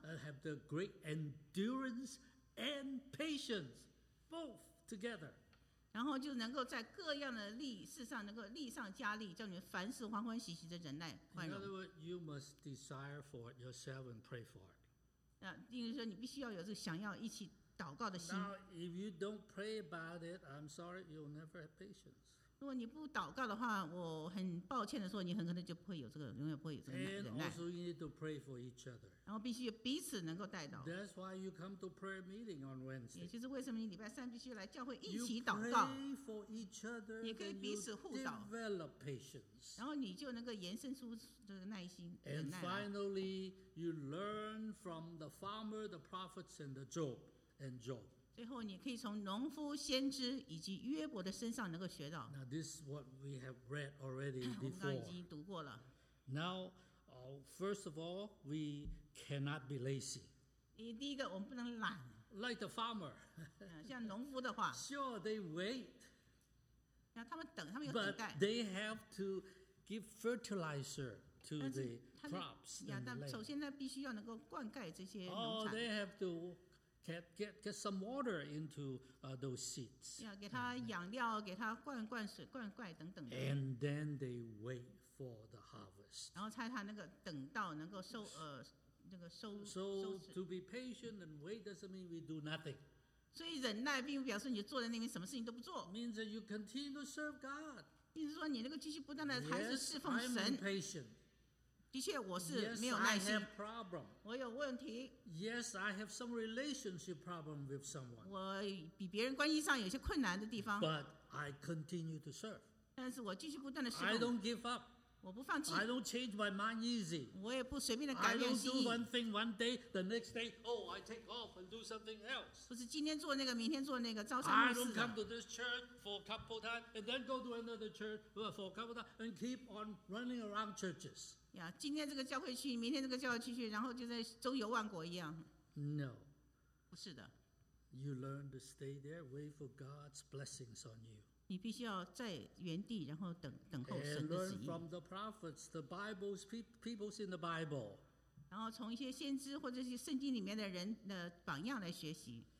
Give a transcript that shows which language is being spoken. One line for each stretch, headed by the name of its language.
English: ？I have the great endurance and patience, both together.
Chinese: 然后就能够在各样的力事上能够力上加力，叫你们凡事欢欢喜喜的忍耐宽容。
English: In other words, you must desire for it yourself and pray for it.
Chinese: 那意思说你必须要有这想要一起祷告的心。
English: Now, if you don't pray about it, I'm sorry, you'll never have patience.
Chinese: 如果你不祷告的话，我很抱歉的说，你很可能就不会有这个，永远不会有这个忍耐。
English: And also, you need to pray for each other.
Chinese: 然后必须彼此能够带到。
English: That's why you come to prayer meeting on Wednesday.
Chinese: 也就是为什么你礼拜三必须来教会一起祷告。
English: You pray for each other.
Chinese: 也可以彼此互祷。
English: Develop patience.
Chinese: 然后你就能够延伸出这个耐心、忍耐。
English: And finally, you learn from the farmer, the prophets, and the Job, and Job.
Chinese: 最后你可以从农夫先知以及约伯的身上能够学到。
English: Now this is what we have read already before.
Chinese: 我们刚刚已经读过了。
English: Now, first of all, we cannot be lazy.
Chinese: 第一个我们不能懒。
English: Like the farmer.
Chinese: 像农夫的话。
English: Sure, they wait.
Chinese: 他们等，他们有等待。
English: But they have to give fertilizer. To the crops.
Chinese: 首先必须要能够灌溉这些农产。
English: Oh, they have to get some water into those seeds.
Chinese: 要给它养料，给它灌灌水、灌溉等等。
English: And then they wait for the harvest.
Chinese: 然后猜他那个等到能够收那个收。
English: So to be patient and wait doesn't mean we do nothing.
Chinese: 所以忍耐并不表示你坐在那边什么事情都不做。
English: Means that you continue to serve God.
Chinese: 意思说你那个继续不断的还是侍奉神。
English: Yes, I'm impatient.
Chinese: 的确我是没有耐心。
English: Yes, I have problem.
Chinese: 我有问题。
English: Yes, I have some relationship problem with someone.
Chinese: 我比别人关系上有些困难的地方。
English: But I continue to serve.
Chinese: 但是我继续不断的侍
English: 奉。I don't give up.
Chinese: 我不放弃。
English: I don't change my mind easy.
Chinese: 我也不随便的改变心意。
English: I don't do one thing one day, the next day, oh, I take off and do something else.
Chinese: 不是今天做那个，明天做那个，朝三暮四的。
English: I don't come to this church for a couple of times and then go to another church for a couple of times and keep on running around churches.
Chinese: Yeah, 今天这个教会去，明天这个教会去，然后就在周游万国一样。
English: No,
Chinese: 不是的。
English: You learn to stay there, wait for God's blessings on you.
Chinese: 你必须要在原地，然后等候神的旨意。
English: And learn from the prophets, the Bible's people's in the Bible.
Chinese: 然后从一些先知或者是圣经里面的人的榜样来学习。